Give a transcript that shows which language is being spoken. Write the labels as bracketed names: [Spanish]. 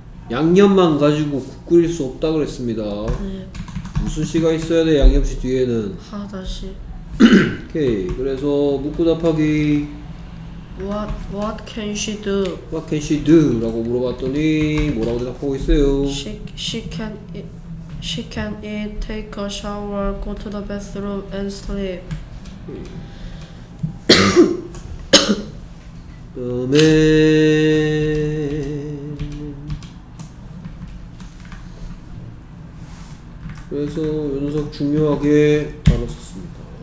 [Korean] 양념만 가지고 국 끓일 수 없다 그랬습니다. 네. 무슨 시가 있어야 돼, 양념시 뒤에는? 하다시. 오케이, 그래서 묻고 답하기. [English] What can she do? What can she do? [Korean] 라고 물어봤더니 뭐라고 대답하고 있어요? [English] She can eat, take a shower, go to the bathroom, and sleep. [Korean] 그다음에 그래서 이 녀석 중요하게 다뤘었습니다.